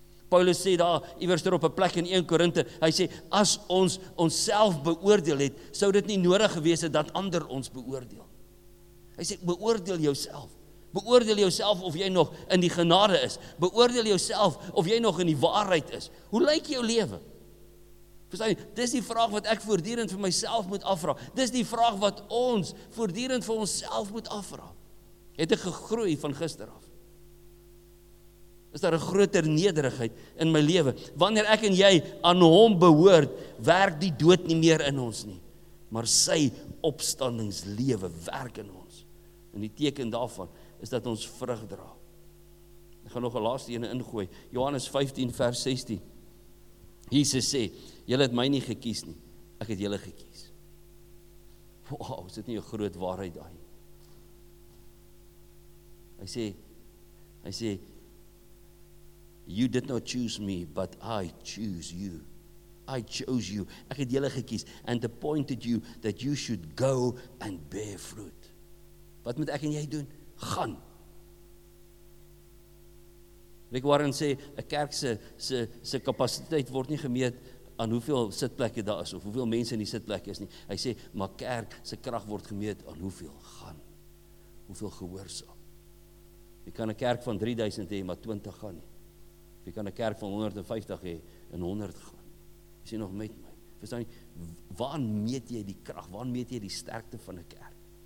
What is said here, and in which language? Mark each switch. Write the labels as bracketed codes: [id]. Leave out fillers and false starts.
[af] Paulus sê daar, iewers op 'n plek in 1 Korinte, hy sê, as ons onsself beoordeel het, sou dit nie nodig gewees het dat ander ons beoordeel. Hy sê, beoordeel jouself. Beoordeel jouself of jy nog in die genade is. Beoordeel jouself of jy nog in die waarheid is. Hoe lyk jou lewe? Verstaan jy, dis die vraag wat ek voortdurend vir myself moet afvra. Dis die vraag wat ons voortdurend vir onsself moet afvra. Het ek gegroei van gister af? Is daar 'n groter nederigheid in my lewe? Wanneer ek en jy aan hom behoort, werk die dood nie meer in ons nie. Maar sy opstandingslewe werk in ons. En die teken daarvan is dat ons vrug dra. Ek gaan nog 'n laaste een ingooi. Johannes 15 vers 16. Jesus sê, jylle het my nie gekies nie, ek het jylle gekies. Wow, is dit nie een groot waarheid daai? Hy sê, [en] you did not choose me, but I choose you. I chose you, [af] ek het jylle gekies, [en] and appointed you that you should go and bear fruit. [af] Wat moet ek en jy doen? Gaan! Rick Warren sê, een kerk se kapasiteit word nie gemeet aan hoeveel sitplekke daar is, of hoeveel mense in die sitplek is nie. Hy sê, maar kerk se krag word gemeet aan hoeveel gaan, hoeveel gehoorsaam. Jy kan een kerk van 3000 hê, maar 20 gaan nie. Jy kan een kerk van 150 hê, en 100 gaan. Jy sê nog met my. Verstaan jy, waar meet jy die krag, waar meet jy die sterkte van een kerk?